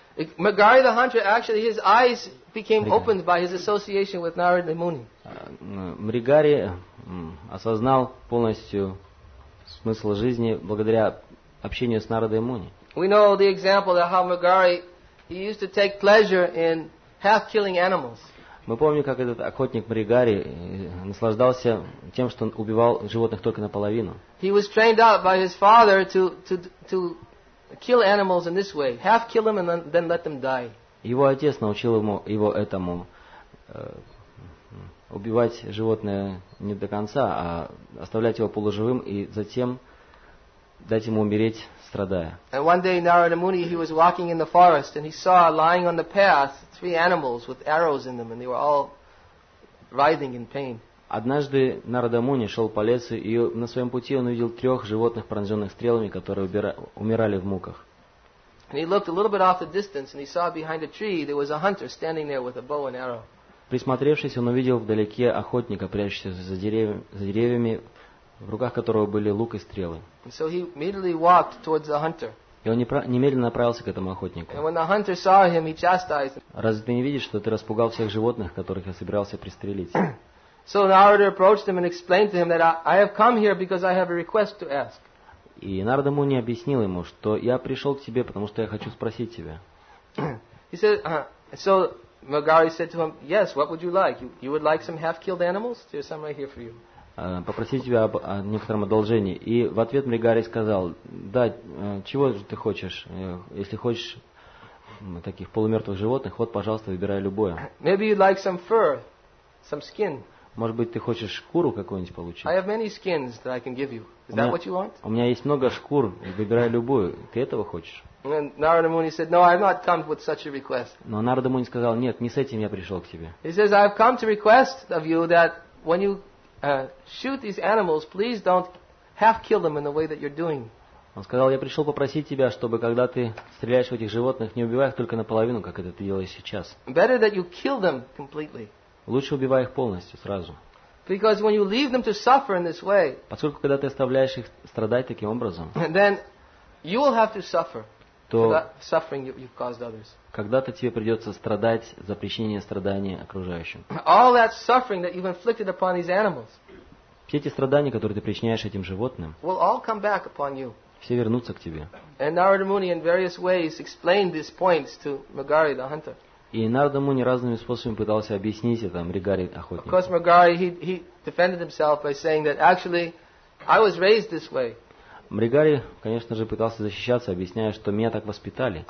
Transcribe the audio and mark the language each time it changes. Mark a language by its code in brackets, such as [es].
[en] Mrugari the Hunter, actually, his eyes became opened by his association with Narada Muni. [ru] Мригари осознал полностью смысл жизни благодаря общению с Нарадой Муни. [en] We know the example of how Mrugari he used to take pleasure in half killing animals. [ru] Мы помним, как этот охотник Мригари наслаждался тем, что он убивал животных только наполовину. [en] He was trained up by his father to kill animals in this way, half kill them and then let them die. [ru] Его отец научил его этому убивать животное не до конца, а оставлять его полуживым и затем дать ему умереть. [en] And one day Narada Muni, he was walking in the forest and he saw lying on the path three animals with arrows in them and they were all writhing in pain. [ru] Однажды Нарада Муни шел по лесу и на своем пути он увидел трех животных, пронзенных стрелами, которые умирали в муках. [en] And he looked a little bit off the distance and he saw behind a tree there was a hunter standing there with a bow and arrow. [ru] Присмотревшись, он увидел вдалеке охотника, прячущегося за деревьями, в руках которого были лук и стрелы. [en] And so he immediately walked towards the hunter. [ru] И он немедленно направился к этому охотнику. [en] And when the hunter saw him, he chastised him. [ru] Разве ты не видишь, что ты распугал всех животных, которых я собирался пристрелить? [en] So Narada approached him and explained to him that I have come here because I have a request to ask. [ru] И Нарада Муни объяснил ему, что я пришел к тебе, потому что я хочу спросить тебя. [en] He said, so Mrugari said to him, yes, what would you like? You would like some half-killed animals? There's some right here for you. [ru] Попросить тебя о некотором одолжении. И в ответ Мригари сказал, да, чего же ты хочешь? Если хочешь таких полумертвых животных, вот, пожалуйста, выбирай любое. [en] Maybe you'd like some fur, some skin. [ru] Может быть, ты хочешь шкуру какую-нибудь получить? [en] I have many skins that I can give you. Is that what you want? [ru] У меня есть много шкур, выбирай любую. Ты этого хочешь? [en] And Narada Muni said, no, I've not come with such a request. [ru] Но Нарада Муни сказал, нет, не с этим я пришел к тебе. [en] He says, I've come to request of you that when you shoot these animals, please don't half kill them in the way that you're doing. [ru] Он сказал, я пришел попросить тебя, чтобы когда ты стреляешь в этих животных, не убивай их только наполовину, как это ты делаешь сейчас. [en] Better that you kill them completely. [ru] Лучше убивай их полностью, сразу. [en] Because when you leave them to suffer in this way, [ru] поскольку когда ты оставляешь их страдать таким образом, [en] then you will have to suffer. [ru] то [en] suffering you've caused others. [ru] Когда-то тебе придется страдать за причинение страдания окружающим. [en] All that suffering that you've inflicted upon these animals. [ru] Все эти страдания, которые ты причиняешь этим животным, [en] will all come back upon you. [ru] Все вернутся к тебе. [en] And Narada Muni in various ways explained these points to Megari the hunter. [ru] И Нарада Муни разными способами пытался объяснить это Мригари охотнику. [en] Of course, Megari he defended himself by saying that actually I was raised this way. [ru] Мригари, конечно же, пытался защищаться, объясняя, что меня так воспитали.